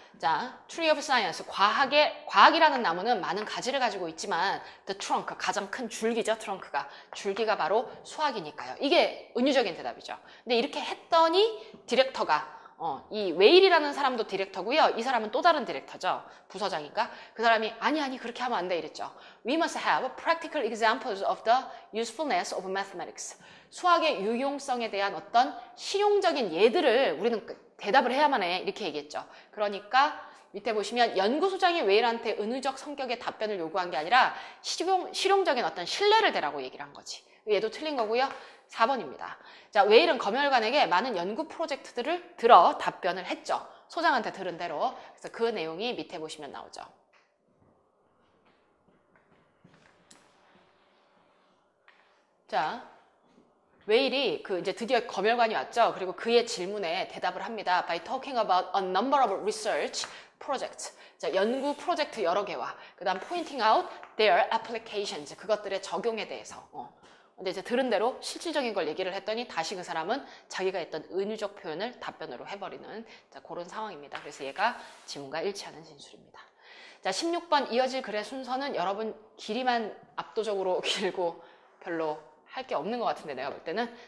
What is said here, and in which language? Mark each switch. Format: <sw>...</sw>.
<ko>자, tree of science. 과학이라는 나무는 많은 가지를 가지고 있지만, the trunk, 가장 큰 줄기죠, 트렁크가. 줄기가 바로 수학이니까요. 이게 은유적인 대답이죠. 근데 이렇게 했더니, 디렉터가, 이 웨일이라는 사람도 디렉터고요. 이 사람은 또 다른 디렉터죠. 부서장인가? 그 사람이, 아니, 아니, 그렇게 하면 안 돼, 이랬죠.</ko> <en>We must have practical examples of the usefulness of mathematics.</en> <ko>수학의 유용성에 대한 어떤 실용적인 예들을 우리는 대답을 해야만 해. 이렇게 얘기했죠. 그러니까 밑에 보시면 연구소장이 웨일한테 은유적 성격의 답변을 요구한 게 아니라 실용적인 어떤 신뢰를 대라고 얘기를 한 거지. 얘도 틀린 거고요. 4번입니다. 자, 웨일은 검열관에게 많은 연구 프로젝트들을 들어 답변을 했죠. 소장한테 들은 대로. 그래서 그 내용이 밑에 보시면 나오죠. 자. 웨일이 이제 드디어 검열관이 왔죠. 그리고 그의 질문에 대답을 합니다.</ko> <en>By talking about a number of research projects.</en> <ko>자, 연구 프로젝트 여러 개와, 그 다음 pointing out their applications. 그것들의 적용에 대해서. 근데 이제 들은 대로 실질적인 걸 얘기를 했더니 다시 그 사람은 자기가 했던 은유적 표현을 답변으로 해버리는, 자, 그런 상황입니다. 그래서 얘가 지문과 일치하는 진술입니다. 자, 16번 이어질 글의 순서는 여러분 길이만 압도적으로 길고 별로 할게 없는 것 같은데, 내가 볼 때는.</ko>